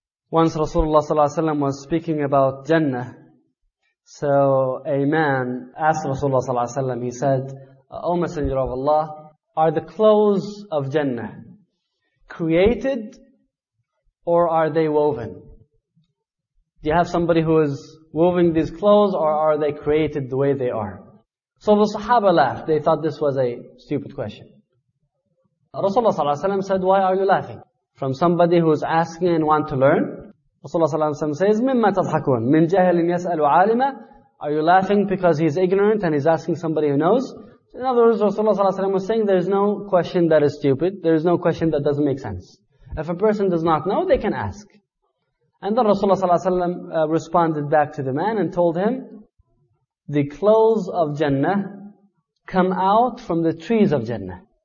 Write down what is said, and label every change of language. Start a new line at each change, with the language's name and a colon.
English: Once Rasulullah ﷺ was speaking about Jannah, so a man asked Rasulullah ﷺ, he said, O Messenger of Allah, are the clothes of Jannah created, or are they woven? Do you have somebody who is woving these clothes, or are they created the way they are? So the Sahaba laughed. They thought this was a stupid question. Rasulullah ﷺ said, why are you laughing? From somebody who is asking and want to learn? Rasulullah ﷺ says,
Arabic: مِمَّا تَضْحَكُونَ مِنْ جَهَلٍ يَسْأَلُ عَالِمًا.
English: Are you laughing because he's ignorant and he's asking somebody who knows? In other words, Rasulullah ﷺ was saying, there is no question that is stupid. There is no question that doesn't make sense. If a person does not know, they can ask. And then Rasulullah ﷺ responded back to the man and told him, the clothes of Jannah come out from the trees of Jannah.